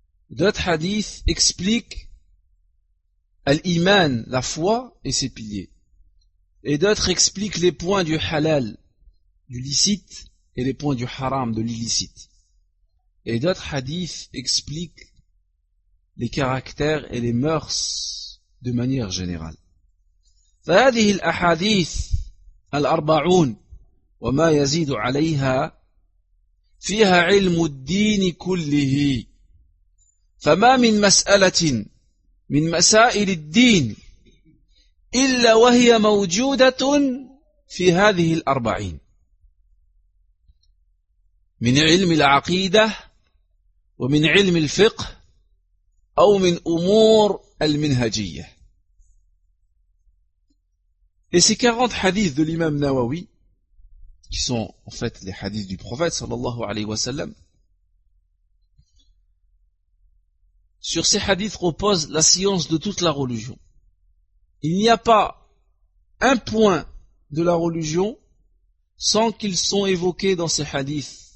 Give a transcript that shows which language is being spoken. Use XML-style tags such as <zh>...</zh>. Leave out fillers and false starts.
<fr>D'autres hadiths expliquent l'iman, la foi et ses piliers. Et d'autres expliquent les points du halal, du licite et les points du haram, de l'illicite. Et d'autres hadiths expliquent les caractères et les mœurs de manière générale.</fr> <ar>فهذه الأحاديث الأربعون وما يزيد عليها فيها علم الدين كله فما من مسألة من مسائل الدين إلا وهي موجودة في هذه الأربعين من علم العقيدة ومن علم الفقه أو من أمور المنهجية.</ar> <fr>Et ces 40 hadiths de l'imam Nawawi, qui sont en fait les hadiths du prophète sallallahu alayhi wa sallam, sur ces hadiths repose la science de toute la religion. Il n'y a pas un point de la religion sans qu'ils soient évoqués dans ces hadiths.</fr>